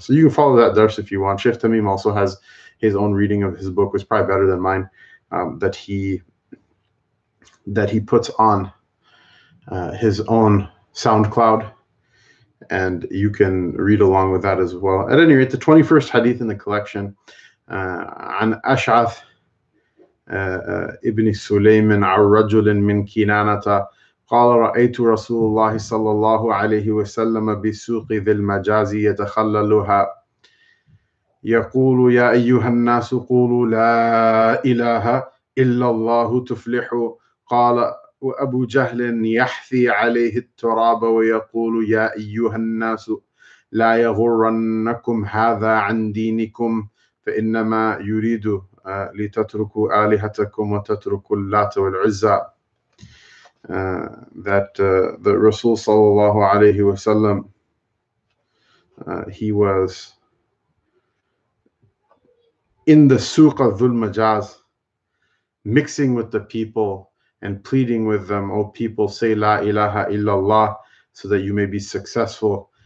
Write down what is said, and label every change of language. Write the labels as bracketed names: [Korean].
[English] So you can follow that darsh if you want. Sheikh Tamim also has his own reading of his book, which is probably better than mine, that he puts on his own SoundCloud. And you can read along with that as well. At any rate, the 21st hadith in the collection, [Arabic] عن أشعث ابن سليمان عن رجل من كنانة قال رأيت رسول الله صلى الله عليه وسلم بسوق ذي المجاز يتخللها يقول يا أيها الناس قولوا لا إله إلا الله تفلحوا قال وأبو جهل يحثي عليه التراب ويقول يا أيها الناس لا يغرنكم هذا عن دينكم فإنما يريد لتتركوا آلهتكم وتتركوا اللات والعزى. [English] That the Rasul sallallahu alayhi wa sallam, he was in the suq of dhul majaz, mixing with the people and pleading with them, O people, say la ilaha illallah, so that you may be successful.